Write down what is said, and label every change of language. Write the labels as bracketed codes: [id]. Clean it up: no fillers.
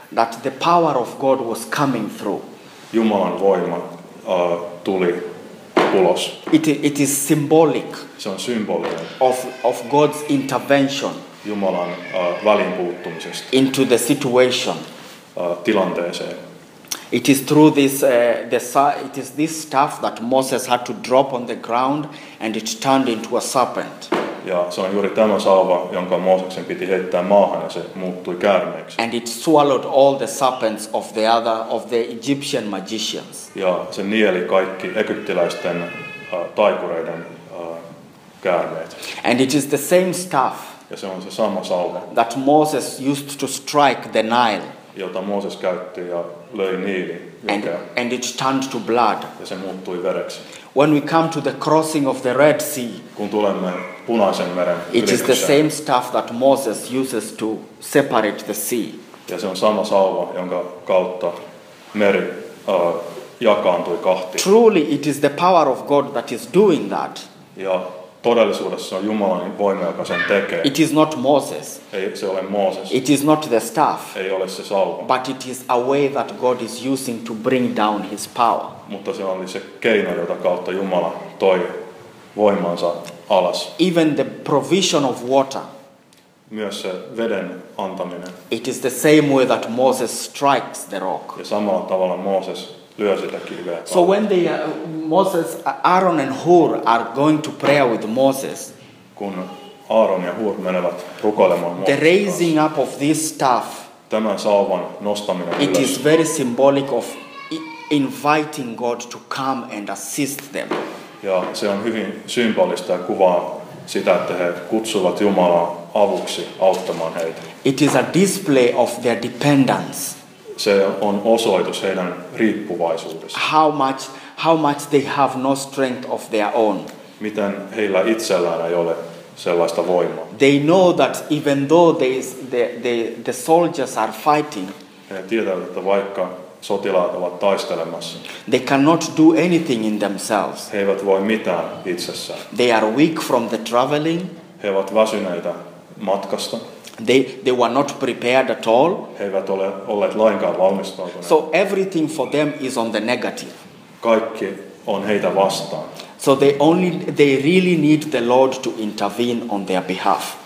[en] that the power of God was coming through. [fi] Jumalan voima tuli ulos. [en] It is symbolic. [fi] Se on symbolinen. [en] Of God's intervention. [fi] Jumalan väliin puuttumisesta. [en] Into the situation. [fi] Tilanteeseen. [en] It is through this it is this staff that Moses had to drop on the ground and it turned into a serpent. [fi] Ja se on juuri tämä sauva, jonka Mooseksen piti heittää maahan ja se muuttui käärmeeksi. [en] And it swallowed all the serpents of the other of the Egyptian magicians. [fi] Ja se nieli kaikki egyptiläisten taikureiden käärmeet. [en] And it is the same staff. [fi] Ja se on se sama sauva. [en] That Moses used to strike the Nile. [fi] Jota Mooses käytti ja löi Niili. [en] And it turned to blood. [fi] Ja se muuttui vereksi. [en] When we come to the crossing of the Red Sea. [fi] Kun tulemme Punaisen meren ylitykseen. [en] It is the same stuff that Moses uses to separate the sea. [fi] Ja se on sama sauva, jonka kautta meri jakaantui kahtia. [en] Truly it is the power of God that is doing that. [fi] Ja todellisuudessa on Jumalan voima, joka sen tekee. [en] It is not Moses. [fi] Ei se ole Mooses. [en] It is not the staff. [fi] Ei ole se sauva. [en] But it is a way that God is using to bring down his power. [fi] Mutta se on se keino, jota kautta Jumala toi voimansa alas. [en] Even the provision of water. [fi] Myös se veden antaminen. [en] It is the same way that Moses strikes the rock. [fi] Ja samalla tavalla Mooses lyö sitä kiveä. [en] So when they Moses, Aaron and Hur are going to prayer with Moses. [fi] Kun Aaron ja Hur menevät rukoilemaan Mooses. [en] The raising up of this staff. [fi] Tämän sauvan nostaminen. [en] It is very symbolic of inviting God to come and assist them. [fi] Ja se on hyvin symbolista ja kuvaa sitä, että he kutsuvat Jumalaa avuksi auttamaan heitä. [en] It is a display of their dependence. [fi] Se on osoitus heidän riippuvaisuudesta. [en] How much they have no strength of their own. [fi] Miten heillä itsellään ei ole sellaista voimaa. [en] They know that even though the soldiers are fighting. [fi] He tietävät, että vaikka sotilaat ovat taistelemassa. [en] They cannot do anything in themselves. [fi] He eivät voi mitään itsessään. [en] They are weak from the traveling. [fi] He ovat väsyneitä matkasta. [en] They were not prepared at all. [fi] He eivät ole olleet lainkaan valmistautuneet. [en] So everything for them is on the negative. [fi] Kaikki on heitä vastaan. [en] So they really need the Lord to intervene on their behalf.